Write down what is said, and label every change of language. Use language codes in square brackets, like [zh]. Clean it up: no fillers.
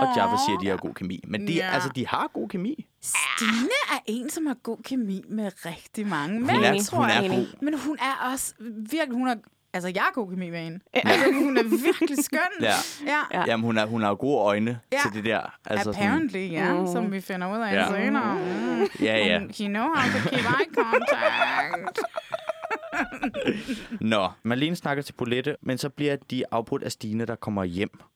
[da] Og Jaffa siger, at de har god kemi. Men de, altså, de har god kemi. Stine er en, som har god kemi med rigtig mange mænd. Hun er god. Men hun er også virkelig... Altså, jeg har god kemi med hende. Ja. Altså, hun er virkelig skøn. Ja. Ja. Jamen, hun har gode øjne til det der. Altså, apparently, sådan, som vi finder ud af senere. Ja. [en] He know how to keep eye contact. [da] Nå, Malene snakker til Paulette, men så bliver de afbrudt af Stine, der kommer hjem.